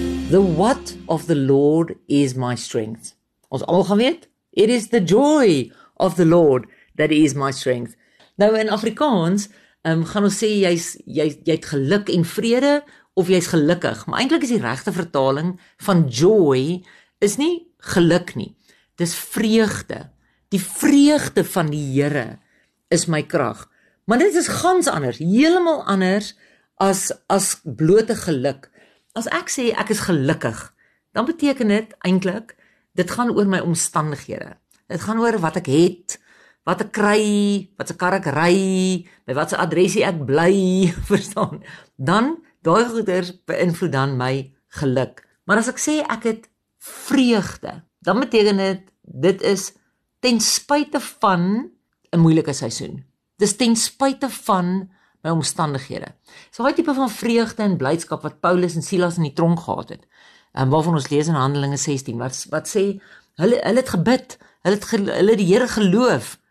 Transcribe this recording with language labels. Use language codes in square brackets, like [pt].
[en] The what of the Lord is my strength. [af] Ons almal gaan weet, [en] it is the joy of the Lord that is my strength. [af] Nou in Afrikaans, gaan ons sê jy het geluk en vrede of jy is gelukkig. Maar eintlik is die regte vertaling van joy is nie geluk nie. Dis vreugde. Die vreugde van die Here is my krag. Maar dit is gans anders, heeltemal anders as blote geluk. As ek sê ek is gelukkig, dan beteken dit eintlik dit gaan oor my omstandighede. Dit gaan oor wat ek het, wat ek kry, wat se kar ek ry, by wat se adresie ek bly, verstaan? Dan daai goeders beïnvloed dan my geluk. Maar as ek sê ek het vreugde, dan beteken dit is ten spyte van 'n moeilike seisoen. Dis ten spyte van my omstandighede. So daai tipe van vreugde en blydskap wat Paulus en Silas in die tronk gehad het. Waarvan ons lees in Handelinge 16, wat sê hulle het gebid, hulle die Here geloof.